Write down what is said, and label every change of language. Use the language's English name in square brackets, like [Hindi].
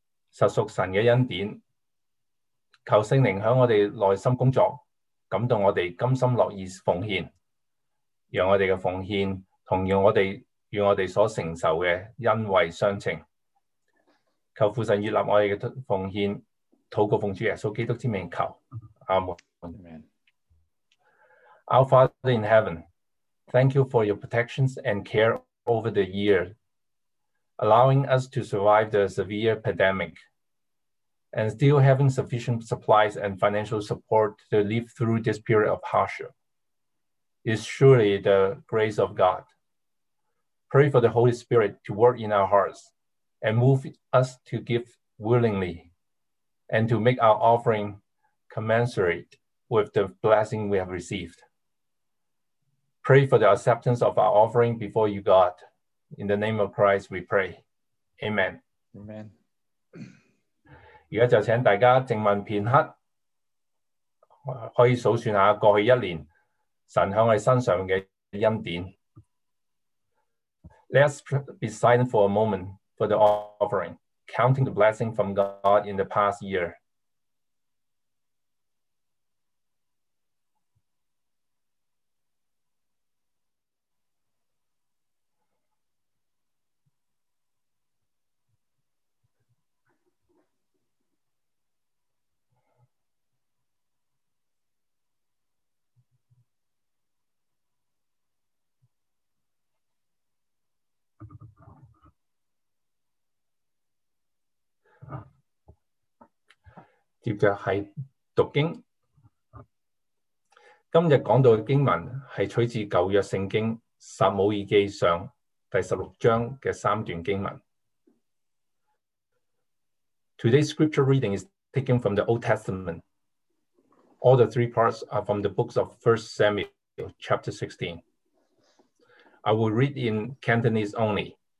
[Chinese] 实属神的恩典，求圣灵在我们内心工作，感动我们甘心乐意奉献，让我们的奉献同样我们与我们所承受的恩惠相称。求父神悦纳我们的奉献，祷告奉主耶稣基督之名求，阿门。 [English] Amen. Our Father in heaven, thank you for your protections and care over the year, allowing us to survive the severe pandemic, and still having sufficient supplies and financial support to live through this period of hardship. It's surely the grace of God. Pray for the Holy Spirit to work in our hearts and move us to give willingly, and to make our offering commensurate with the blessing we have received. Pray for the acceptance of our offering before you, God. In the name of Christ, we pray. Amen. Amen. [Chinese] 现在就请大家静默片刻，可以数算下过去一年神向我们身上的恩典。 [English] Let's be silent for a moment for the offering. Counting the blessing from God in the past year. [Chinese] 接着是读经，今天讲到的经文是取自旧约圣经撒母耳记上第十六章的三段经文。 [English] Today's scripture reading is taken from the Old Testament. All the three parts are from the books of 1 Samuel chapter 16. I will read in Cantonese only.